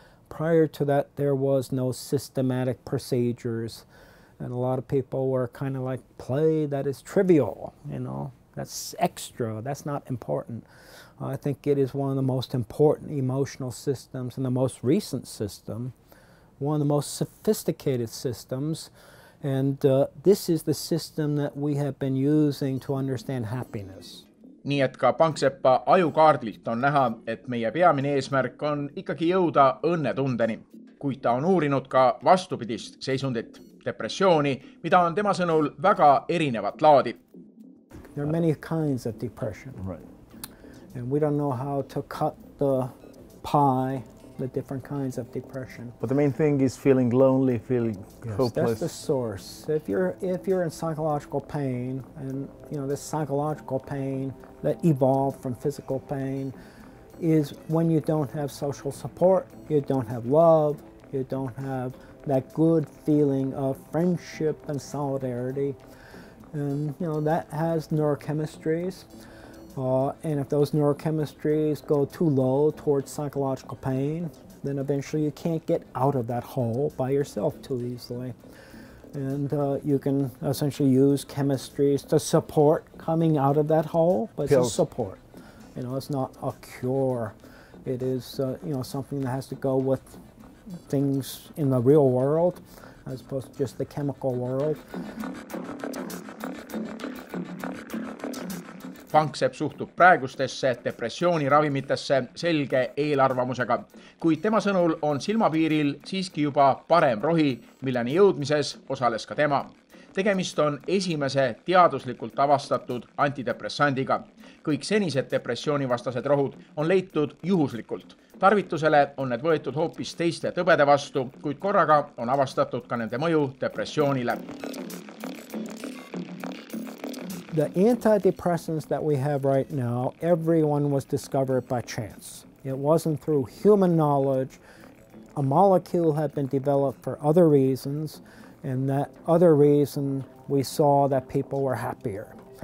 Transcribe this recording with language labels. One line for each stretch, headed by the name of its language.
English: Prior to that, there was no systematic procedures, and a lot of people were kind of like, play that is trivial, that's extra, that's not important. I think it is one of the most important emotional systems and the most recent system, one of the most sophisticated systems. And this is the system that we have been using to understand happiness.
Estonian: Nii et ka Panksepa ajukaardilt on näha, et meie peamine eesmärk on ikkagi jõuda õnnetundeni. Kuid ta on uurinud ka vastupidist seisundit, depressiooni, mida on tema sõnul väga erinevat laadi.
English: There are many kinds of depression. Right. And we don't know how to cut the pie, the different kinds of depression. But the main thing is feeling lonely, feeling hopeless. That's the source. If you're in psychological pain, and this psychological pain that evolved from physical pain is when you don't have social support, you don't have love, you don't have that good feeling of friendship and solidarity. And that has neurochemistries. And if those neurochemistries go too low towards psychological pain, then eventually you can't get out of that hole by yourself too easily. And you can essentially use chemistries to support coming out of that hole, but pills. It's a support. It's not a cure. It is something that has to go with things in the real world, as opposed to just the chemical world.
Estonian: Panksepp suhtub praegustesse depressiooni ravimitesse selge eelarvamusega, kuid tema sõnul on silmapiiril siiski juba parem rohi, milleni jõudmises osales ka tema. Tegemist on esimese teaduslikult avastatud antidepressandiga. Kõik senised depressioonivastased rohud on leitud juhuslikult, Tarvitusele on need võetud hoopis teiste tõbede vastu, kuid korraga on avastatud ka nende mõju depressioonile.
English: The antidepressants that we have right now, everyone was discovered by chance. It wasn't through human knowledge. A molecule had been developed for other reasons, and that other reason we saw that people were happier.